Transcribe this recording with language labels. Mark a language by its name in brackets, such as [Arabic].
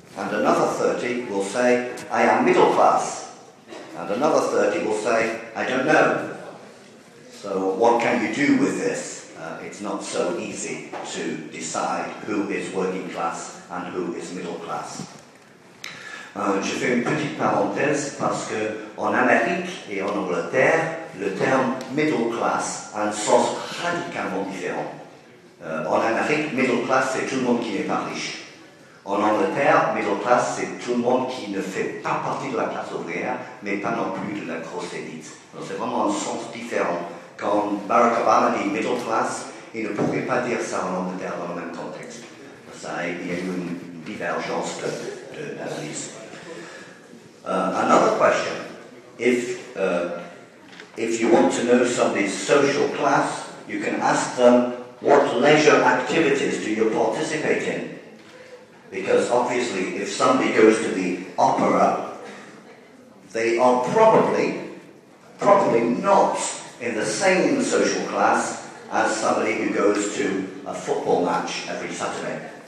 [English] And another 30 will say, I am middle class. And another 30 will say, I don't know. So what can you do with this? It's not so easy to decide who is working class and who is middle class. [French] Je fais une petite parenthèse parce que en Amérique et en Angleterre, le terme middle class a un sens radicalement différent. En Amérique, middle class, c'est tout le monde qui n'est pas riche. En Angleterre, middle class, c'est tout le monde qui ne fait pas partie de la classe ouvrière, mais pas non plus de la grosse élite. Donc c'est vraiment un sens différent. Quand Barack Obama dit middle class, il ne pouvait pas dire ça en Angleterre dans le même contexte. Ça, il y a eu une divergence d'analyse. [English] Another question. If you want to know somebody's social class, you can ask them, what leisure activities do you participate in? Because obviously, if somebody goes to the opera, they are probably not in the same social class as somebody who goes to a football match every Saturday.